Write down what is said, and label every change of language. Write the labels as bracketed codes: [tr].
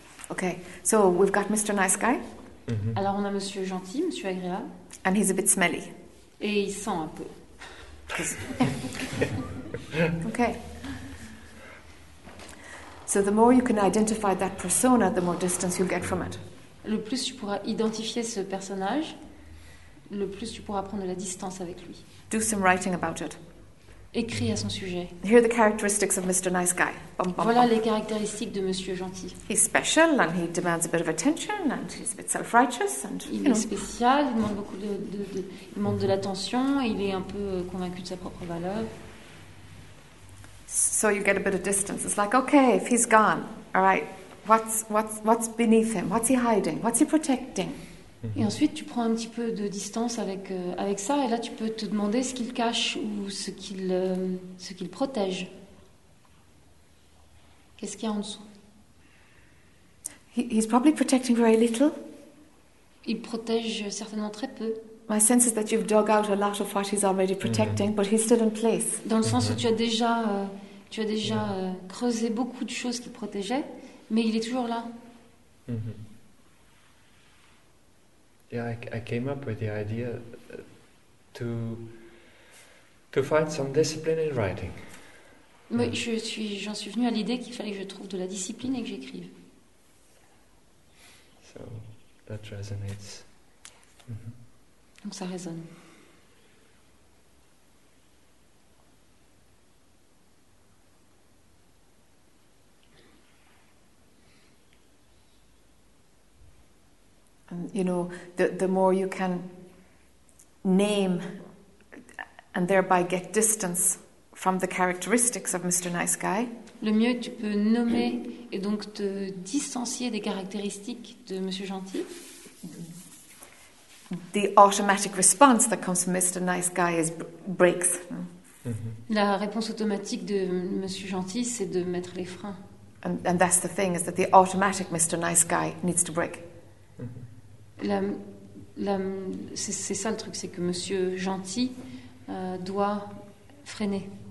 [en] Okay. So we've got Mr. Nice Guy. Mm-hmm. [fr] Alors on a Monsieur Gentil, Monsieur Agréable. [en] And he's a bit smelly. [fr] Et il sent un peu. [en] Okay. So the more you can identify that persona, the more distance you'll get from it. [fr] Le plus tu pourras identifier ce personnage, le plus tu pourras prendre la distance avec lui. [en] Do some writing about it. [fr] Écris à son sujet. [en] Here are the characteristics of Mr. Nice Guy. [fr] Bum, bum, voilà bum. Les caractéristiques de Monsieur Gentil. [en] He's special and he demands a bit of attention and he's a bit self-righteous and [fr] il est spécial, il demande beaucoup de il demande de l'attention, il est un peu convaincu de sa propre valeur. [en] So you get a bit of distance. It's like, okay, if he's gone, all right, what's beneath him? What's he hiding? What's he protecting? Mm-hmm. [fr] Et ensuite, tu prends un petit peu de distance avec ça, et là, tu peux te demander ce qu'il cache ou ce qu'il protège. Qu'est-ce qu'il y a en dessous? [en] He's probably protecting very little. [fr] Il protège certainement très peu. [en] My sense is that you've dug out a lot of what he's already protecting, mm-hmm. but he's still in place. [fr] Dans le sens où tu as déjà creusé beaucoup de choses qu'il protégeait, mais il est toujours là. Mm-hmm. [en] Yeah, I came up with the idea to find some discipline in writing. [fr] Mais j'en suis venu à l'idée qu'il fallait que je trouve de la discipline et que j'écrive. [en] So that resonates. [fr] Donc ça résonne. [en] And you know, the more you can name and thereby get distance from the characteristics of Mr. Nice Guy. [fr] Le mieux que tu peux nommer et donc te distancier des caractéristiques de Monsieur Gentil. [en] The automatic response that comes from Mr. Nice Guy is breaks. Mm-hmm. [fr] La réponse automatique de Monsieur Gentil, c'est de mettre les freins. [en] And that's the thing, is that the automatic Mr. Nice Guy needs to break. Mm-hmm. [fr] C'est ça le truc, c'est que Monsieur Gentil doit freiner.